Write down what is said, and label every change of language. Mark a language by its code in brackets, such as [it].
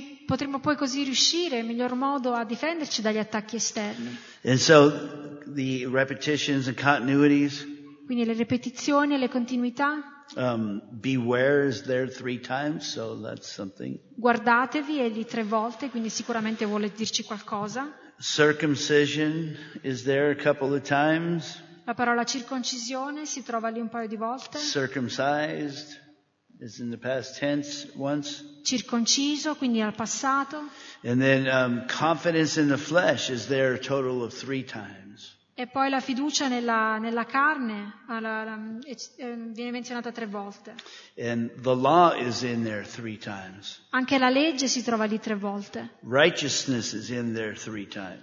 [it] Potremmo poi così riuscire in miglior modo a difenderci dagli attacchi esterni. [en] And so the repetitions and continuities. [it] Quindi le ripetizioni e le continuità. [en] Beware is there three times, so that's something. [it] Guardatevi è lì tre volte, quindi sicuramente vuole dirci qualcosa. [en] Circumcision is there a couple of times. [it] La parola circoncisione si trova lì un paio di volte. [en] Circumcised is in the past tense once. [it] Circonciso, quindi al passato. [en] And then confidence in the flesh is there a total of three times. [it] E poi la fiducia nella carne viene menzionata tre volte. [en] And the law is in there three times. [it] Anche la legge si trova lì tre volte. [en] Righteousness is in there three times.